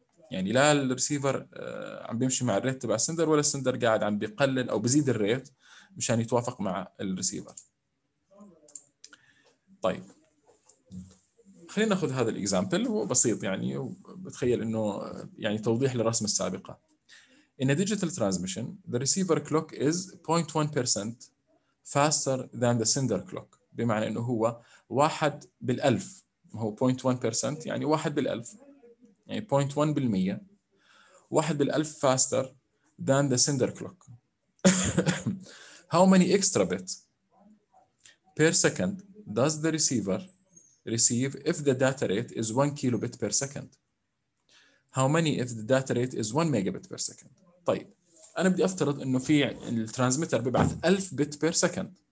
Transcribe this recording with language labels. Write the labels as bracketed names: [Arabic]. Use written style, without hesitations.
[Arabic] يعني لا الريسيفر عم بيمشي مع الريت تبع السندر ولا السندر قاعد عم بيقلل أو بزيد الريت مشان يتوافق مع الريسيفر. طيب خلينا نأخذ هذا الإكزامبل، هو بسيط يعني، وبتخيل إنه يعني توضيح للرسمة السابقة. [English] In a digital transmission, the receiver clock is 0.1% faster than the sender clock. [Arabic] بمعنى إنه هو واحد بالألف، هو 0.1% يعني واحد بالألف، يعني 0.1% واحد بالألف [English] faster than the sender clock. How many extra bits per second does the receiver receive if the data rate is 1 kilobit per second? How many if the data rate is 1 megabit per second? [Arabic] طيب أنا بدي أفترض أنه في الترانسميتر ببعث 1000 bit per second.